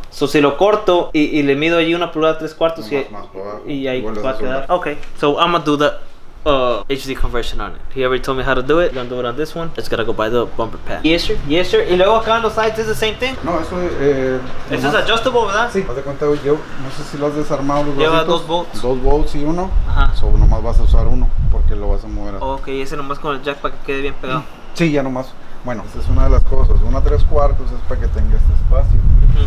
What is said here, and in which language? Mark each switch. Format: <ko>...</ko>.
<en>So</en> <es>si lo corto y le mido ahí una pulgada tres cuartos, y ahí va a quedar.</es> <en>Okay, so I'm gonna do the HD conversion on it. He already told me how to do it. I'm gonna do it on this one. I just gotta go buy the bumper pad. Yes, sir. Yes, sir.</en> <es>Y luego acá en los</es> <en>sides is the same thing?</en> <es>No, eso es. Eso es adjustable, ¿verdad? Sí. Haz de cuenta, yo no sé si lo has desarmado. Lleva dos bolts. Dos bolts y uno. Ajá. Solo nomás vas a usar uno porque lo vas a mover. A... Ok, ese nomás con el jack para que quede bien pegado. Sí, ya nomás. Bueno, esa es una de las cosas. Una 3/4 es para que tengas este espacio.</es>